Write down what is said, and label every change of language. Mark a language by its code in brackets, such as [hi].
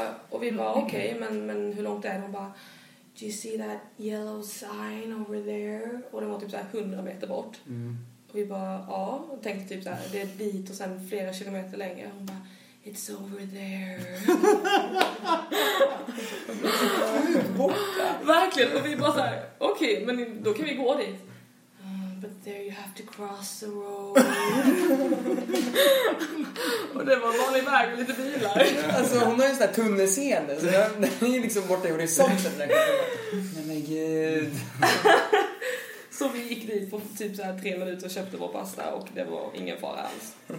[sv] Och vi bara, okej, men hur långt är det? Hon bara, [en] do you see that yellow sign over there? [sv] Och det var typ såhär 100 meter bort. Mm. Och vi bara, ja. Och tänkte typ såhär, det är dit och sen flera kilometer längre. Hon bara, [en] it's over there. [sv] Verkligen, och vi bara såhär, okej, men då kan vi gå dit. [en] But there you have to cross the road. [sv] Och det var en vanlig väg med lite bilar. [en] Yeah. [sv] Alltså hon har ju en sån där tunnelseende. Så den är ju liksom borta i horisonten. Nej men gud. Så vi gick dit på typ så här 3 minuter och köpte vår pasta. Och det var ingen fara alls.